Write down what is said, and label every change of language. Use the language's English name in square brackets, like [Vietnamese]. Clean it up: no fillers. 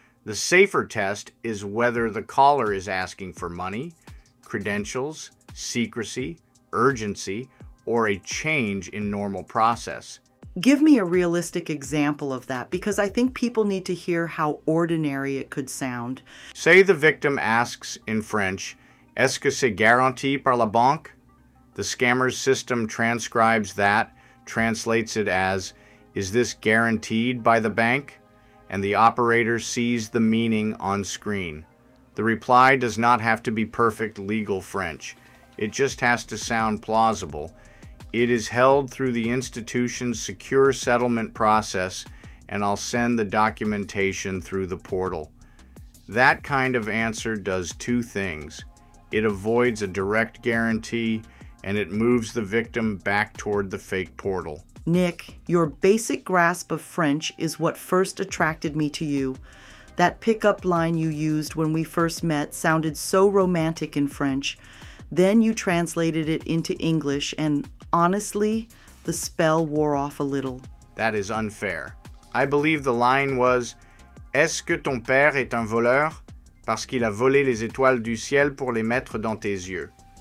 [English] The safer test is whether the caller is asking for money, credentials, secrecy, urgency, or a change in normal process. Give me a realistic example of that, because I think people need to hear how ordinary it could sound. Say the victim asks in French, [French] "Est-ce que c'est garanti par la banque?" [English] The scammer's system transcribes that, translates it as, "Is this guaranteed by the bank?" And the operator sees the meaning on screen. The reply does not have to be perfect legal French. It just has to sound plausible. It is held through the institution's secure settlement process, and I'll send the documentation through the portal. That kind of answer does two things. It avoids a direct guarantee, and it moves the victim back toward the fake portal. Nick, your basic grasp of French is what first attracted me to you. That pickup line you used when we first met sounded so romantic in French. Then you translated it into English, and honestly, the spell wore off a little. That is unfair. I believe the line was, [French] "Est-ce que ton père est un voleur? Parce qu'il a volé les étoiles du ciel pour les mettre dans tes yeux."